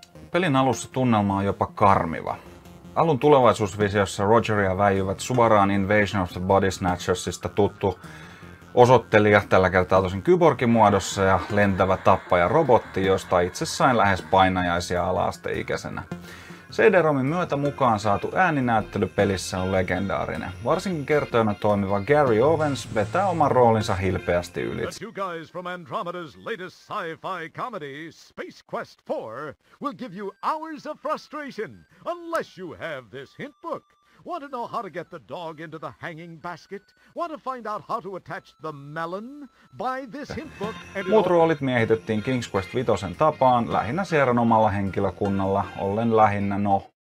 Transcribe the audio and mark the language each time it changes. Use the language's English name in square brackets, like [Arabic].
[Finnish] Pelin alussa tunnelma on jopa karmiva. Alun tulevaisuusvisiossa Rogeria väijyvät suoraan Invasion of the Body Snatchersista tuttu osoittelija, tällä kertaa tosin kyborgimuodossa ja lentävä tappaja robotti, josta itse sain lähes painajaisia ala-asteikäisenä. CD-ROMin myötä mukaan saatu ääninäyttely pelissä on legendaarinen. Varsinkin kertojana toimiva Gary Owens vetää oman roolinsa hilpeästi ylitse. [English] You guys from Andromeda's latest sci-fi comedy, Space Quest 4, will give you hours of frustration, unless you have this hint book. Want to know how to get the dog into the hanging basket? Want to find out how to attach the melon? Buy this hint book and... [Finnish] Muut roolit miehitettiin King's Quest V:n tapaan, lähinnä Sierran omalla henkilökunnalla, ollen lähinnä no.